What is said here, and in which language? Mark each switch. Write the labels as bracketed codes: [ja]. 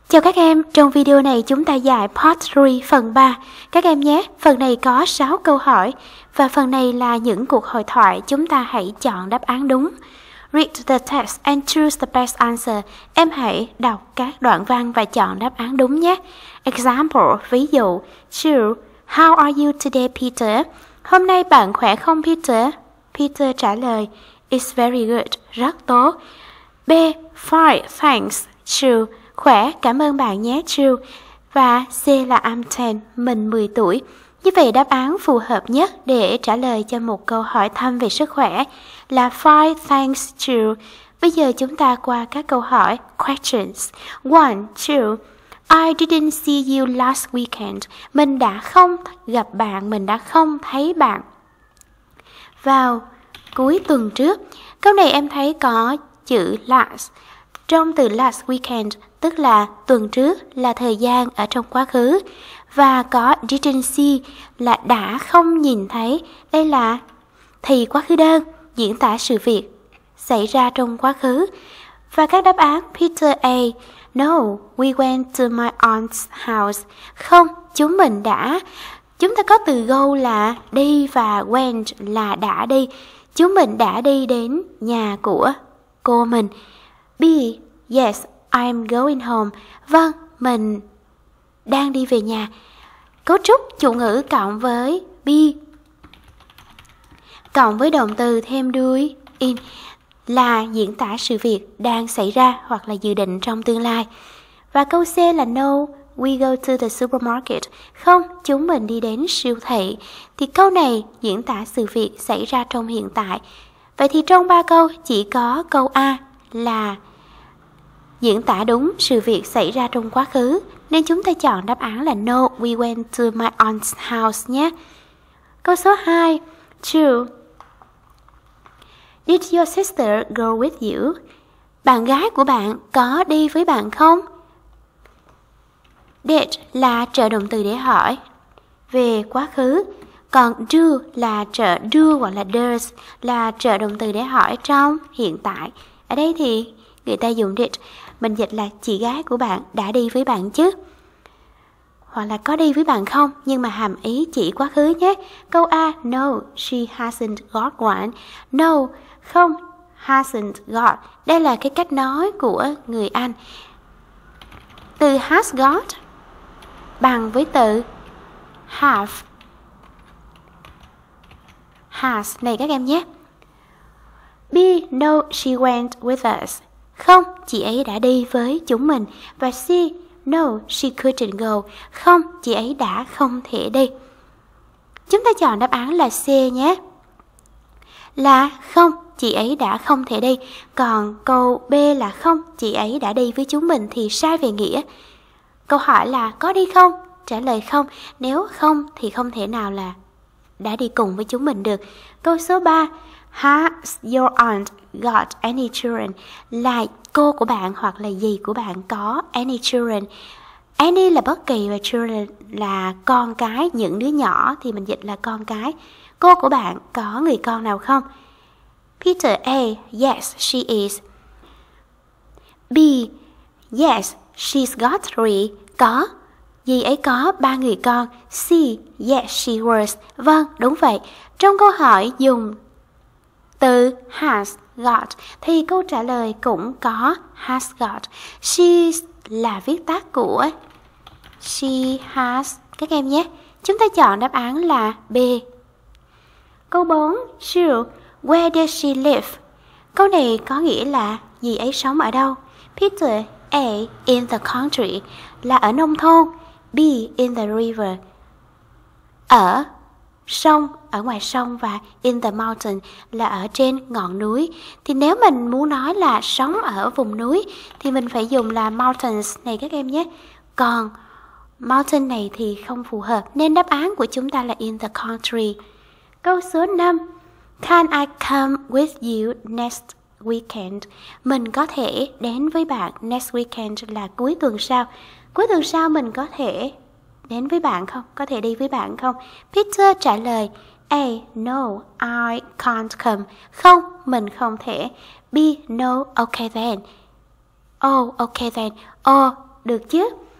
[vi] Chào các em, trong video này chúng ta giải part 3 phần 3. Các em nhé, phần này có 6 câu hỏi và phần này là những cuộc hội thoại, chúng ta hãy chọn đáp án đúng. [en] Read the text and choose the best answer. [vi] Em hãy đọc các đoạn văn và chọn đáp án đúng nhé. [en] Example, [vi] ví dụ. [en] Sure, how are you today, Peter? [vi] Hôm nay bạn khỏe không, Peter? Peter trả lời, [en] it's very good, [vi] rất tốt. [en] B, fine, thanks, sure. [vi] Khỏe, cảm ơn bạn nhé, Jill. Và C là [en] I'm 10, [vi] mình 10 tuổi. Như vậy đáp án phù hợp nhất để trả lời cho một câu hỏi thăm về sức khỏe là [en] fine, thanks, Jill. [vi] Bây giờ chúng ta qua các câu hỏi, [en] questions. 1, 2, I didn't see you last weekend. [vi] Mình đã không gặp bạn, mình đã không thấy bạn vào cuối tuần trước. Câu này em thấy có chữ last. Trong từ [en] last weekend, [vi] tức là tuần trước, là thời gian ở trong quá khứ. Và có [en] didn't see [vi] là đã không nhìn thấy. Đây là thì quá khứ đơn, diễn tả sự việc xảy ra trong quá khứ. Và các đáp án Peter A. [en] No, we went to my aunt's house. [vi] Không, chúng mình đã. Chúng ta có từ go là đi và went là đã đi. Chúng mình đã đi đến nhà của cô mình. B. [en] Yes, I'm going home. [vi] Vâng, mình đang đi về nhà. Cấu trúc chủ ngữ cộng với be cộng với động từ thêm đuôi in là diễn tả sự việc đang xảy ra hoặc là dự định trong tương lai. Và câu C là [en] no, we go to the supermarket. [vi] Không, chúng mình đi đến siêu thị. Thì câu này diễn tả sự việc xảy ra trong hiện tại. Vậy thì trong 3 câu chỉ có câu A là diễn tả đúng sự việc xảy ra trong quá khứ. Nên chúng ta chọn đáp án là [en] no, we went to my aunt's house [vi] nhé. Câu số 2. 2. [en] Did your sister go with you? [vi] Bạn gái của bạn có đi với bạn không? Did là trợ động từ để hỏi về quá khứ. Còn do là trợ do hoặc là does là trợ động từ để hỏi trong hiện tại. Ở đây thì người ta dùng did. Mình dịch là chị gái của bạn đã đi với bạn chứ? Hoặc là có đi với bạn không? Nhưng mà hàm ý chỉ quá khứ nhé. Câu A, [en] no, she hasn't got one. No, [vi] không, [en] hasn't got. [vi] Đây là cái cách nói của người Anh. Từ has got bằng với từ have. [en] Has [vi] này các em nhé. [en] B, no, she went with us. [vi] Không, chị ấy đã đi với chúng mình. Và C, [en] no, she couldn't go. [vi] Không, chị ấy đã không thể đi. Chúng ta chọn đáp án là C nhé. Là không, chị ấy đã không thể đi. Còn câu B là không, chị ấy đã đi với chúng mình thì sai về nghĩa. Câu hỏi là có đi không? Trả lời không. Nếu không thì không thể nào là đã đi cùng với chúng mình được. Câu số 3. Has your aunt got any children? Là cô của bạn hoặc là dì của bạn có [en] any children? [vi] Any là bất kỳ và children là con cái, những đứa nhỏ thì mình dịch là con cái. Cô của bạn có người con nào không? [en] Peter A. Yes, she is. B. Yes, she's got three. [vi] Có. Dì ấy có ba người con. C. [en] Yes, she was. [vi] Vâng, đúng vậy. Trong câu hỏi dùng từ has got thì câu trả lời cũng có has got. She's là viết tắt của she has các em nhé. Chúng ta chọn đáp án là B. Câu 4, [en] sure, where does she live? [vi] Câu này có nghĩa là dì ấy sống ở đâu? Peter A, [en] in the country, [vi] là ở nông thôn. B, [en] in the river, [vi] ở sông, ở ngoài sông. Và [en] in the mountain [vi] là ở trên ngọn núi. Thì nếu mình muốn nói là sống ở vùng núi thì mình phải dùng là mountains này các em nhé. Còn mountain này thì không phù hợp, nên đáp án của chúng ta là [en] in the country. [vi] Câu số 5. [en] Can I come with you next weekend? [vi] Mình có thể đến với bạn [en] next weekend [vi] là cuối tuần sau. Cuối tuần sau mình có thể đến với bạn không? Có thể đi với bạn không? Peter trả lời A. [en] No, I can't come. Không, mình không thể. B. No, okay then. Oh, okay then. Oh, [vi] được chứ?